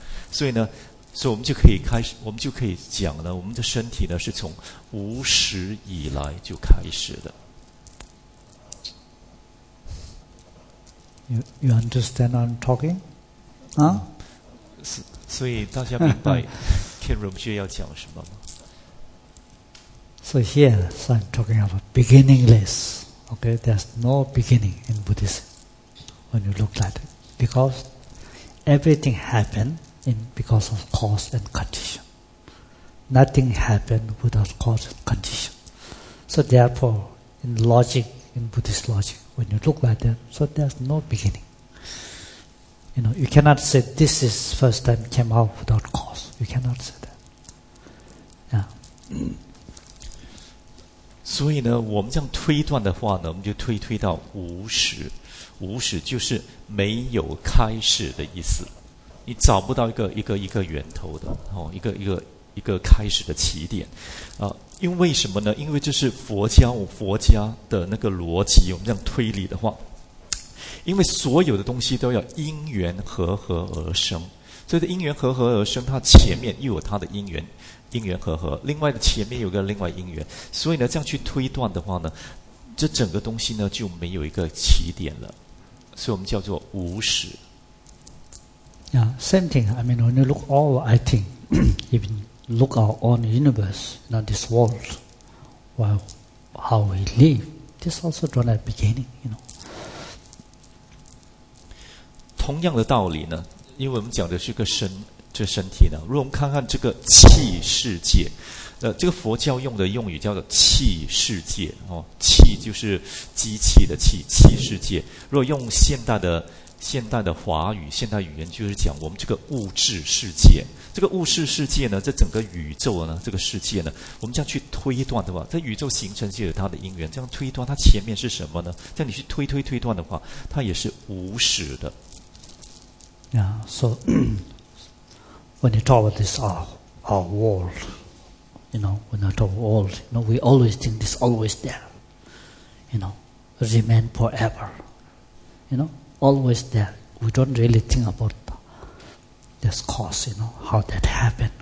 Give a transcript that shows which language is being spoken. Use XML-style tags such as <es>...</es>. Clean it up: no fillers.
<zh>所以呢，所以我们就可以开始，我们就可以讲呢，我们的身体呢是从无始以来就开始的。</zh> <en>You understand I'm talking? 啊？</en> <zh>所以大家明白天荣学要讲什么吗？</zh> <en>So here, so I'm talking about beginningless. Okay, there's no beginning in Buddhism when you look at it. Because everything happened because of cause and condition. Nothing happened without cause and condition. So therefore, in Buddhist logic, when you look at it, so there's no beginning. You know, you cannot say this is first time came out without cause. You cannot say that. Yeah.</en> <zh>所以呢，我们这样推断的话呢，我们就推到无始，无始就是没有开始的意思。你找不到一个源头的哦，一个开始的起点，啊，因为什么呢？因为这是佛家的那个逻辑。我们这样推理的话，因为所有的东西都要因缘和而生，所以的因缘和而生，它前面又有它的因缘和，另外的前面有个另外因缘，所以呢，这样去推断的话呢，这整个东西呢就没有一个起点了，所以我们叫做无始。</zh> <en>Yeah, same thing. I mean, when you look all, I think, even look our own universe, not this world, while how we live, this also don't have beginning, you know.</en> <zh>同样的道理呢，因为我们讲的是个身，这身体呢，如果我们看看这个气世界，这个佛教用的用语叫做气世界哦，气就是机器的气，气世界。如果用现代的华语，现代语言就是讲我们这个物质世界，这个物质世界呢，这整个宇宙呢，这个世界呢，我们这样去推断的话，这宇宙形成就有它的因缘，这样推断它前面是什么呢？这样你去推断的话，它也是无始的。</zh> <en>Yeah, so when you talk about this our world, you know, when I talk about world, you know, we always think this always there, you know, remain forever, you know. Always there. We don't really think about this cause, you know, how that happened.</en>